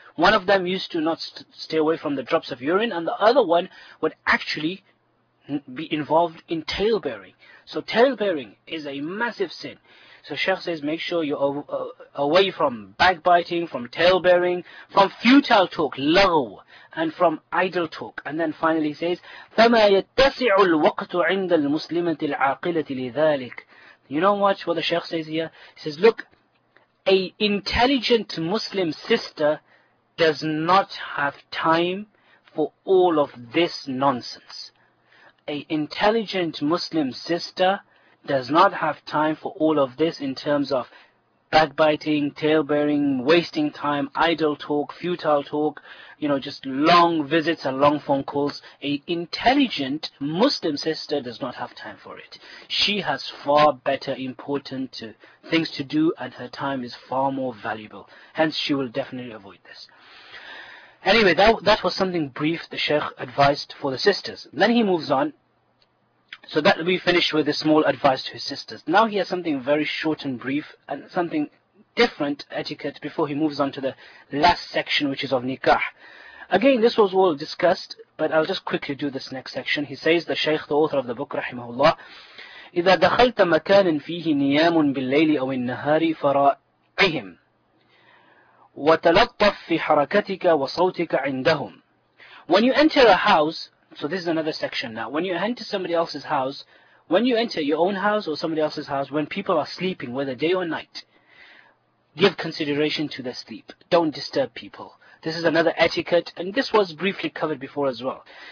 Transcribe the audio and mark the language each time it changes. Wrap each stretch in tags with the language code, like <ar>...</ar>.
<en>One of them used to not stay away from the drops of urine, and the other one would actually be involved in tail bearing. So tail bearing is a massive sin. So Sheikh says, make sure you're away from backbiting, from tail bearing, from futile talk, low, and from idle talk. And then finally he says,</en> <ar>فَمَا يَتَّسِعُ الْوَقْتُ عِنْدَ الْمُسْلِمَةِ الْعَاقِلَةِ لِذَٰلِكَ.</ar> <en>You know what the Sheikh says here? He says, look, a intelligent Muslim sister does not have time for all of this nonsense. An intelligent Muslim sister does not have time for all of this in terms of backbiting, tail-bearing, wasting time, idle talk, futile talk, you know, just long visits and long phone calls. An intelligent Muslim sister does not have time for it. She has far better important things to do, and her time is far more valuable. Hence, she will definitely avoid this. Anyway, that was something brief the Sheikh advised for the sisters. Then he moves on. So that we finished with a small advice to his sisters. Now he has something very short and brief, and something different etiquette before he moves on to the last section, which is of nikah. Again, this was all discussed, but I'll just quickly do this next section. He says, the Sheikh, the author of the book,</en> <ar>rahimahullah, إِذَا دَخَلْتَ مَكَانٍ فِيهِ نِيَامٌ بِاللَّيْلِ أَوِ النَّهَارِ فَرَائِهِمْ وَتَلَطَّفْ فِي حَرَكَتِكَ وَصَوْتِكَ عِنْدَهُمْ.</ar> <en>When you enter a house, so this is another section now, when you enter somebody else's house, when you enter your own house or somebody else's house, when people are sleeping, whether day or night, give consideration to their sleep. Don't disturb people. This is another etiquette, and this was briefly covered before as well.</en>